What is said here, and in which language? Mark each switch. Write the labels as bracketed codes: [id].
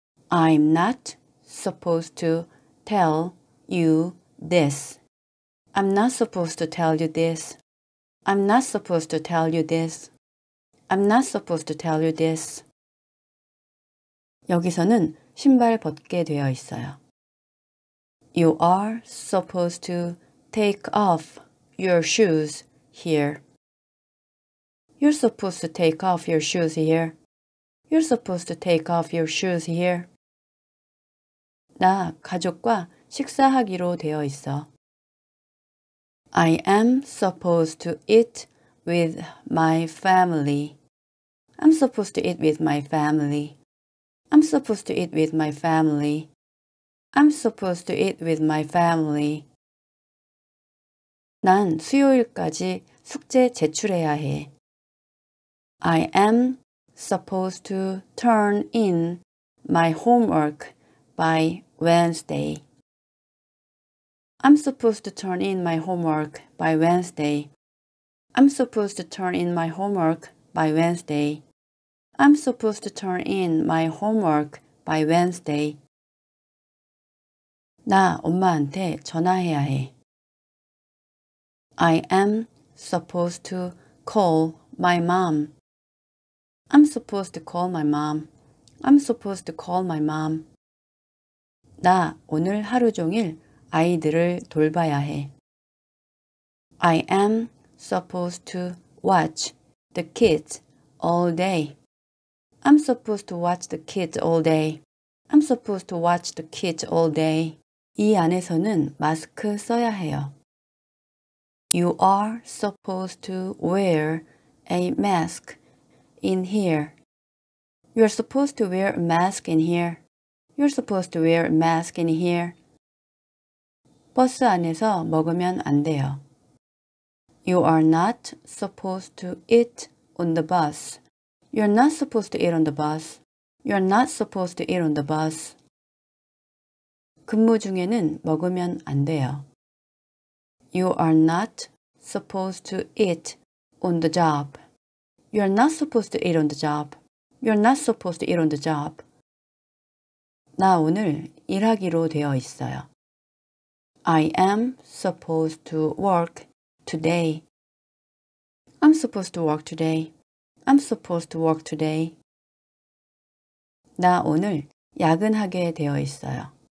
[en] I'm not supposed to tell you this. I'm not supposed to tell you this. I'm not supposed to tell you this. I'm not supposed to tell you this. [ko] 여기서는 신발 벗게 되어 있어요. [en] You are supposed to take off your shoes here. You're supposed to take off your shoes here. You're supposed to take off your shoes here. [ko] 나 가족과 식사하기로 되어 있어. [en] I am supposed to eat with my family. I'm supposed to eat with my family. I'm supposed to eat with my family. I'm supposed to eat with my family. [ko] 난 수요일까지 숙제 제출해야 해. [en] I am supposed to turn in my homework by Wednesday. I'm supposed to turn in my homework by Wednesday. I'm supposed to turn in my homework by Wednesday. I'm supposed to turn in my homework by Wednesday. [ko] 나 엄마한테 전화해야 해. [en] I am supposed to call my mom. I'm supposed to call my mom. I'm supposed to call my mom. [ko] 나 오늘 하루 종일 아이들을 돌봐야 해. [en] I am supposed to watch the kids all day. I'm supposed to watch the kids all day. I'm supposed to watch the kids all day. [ko] 이 안에서는 마스크 써야 해요. [en] You are supposed to wear a mask in here. You're supposed to wear a mask in here. You're supposed to wear a mask in here. [ko] 버스 안에서 먹으면 안 돼요. [en] You are not supposed to eat on the bus. You're not supposed to eat on the bus. You're not supposed to eat on the bus. [ko] 근무 중에는 먹으면 안 돼요. [en] You are not supposed to eat on the job. You're not supposed to eat on the job. You're not supposed to eat on the job. [ko] 나 오늘 일하기로 되어 있어요. [en] I am supposed to work today. I'm supposed to work today. I'm supposed to work today. [ko] 나 오늘 야근하게 되어 있어요.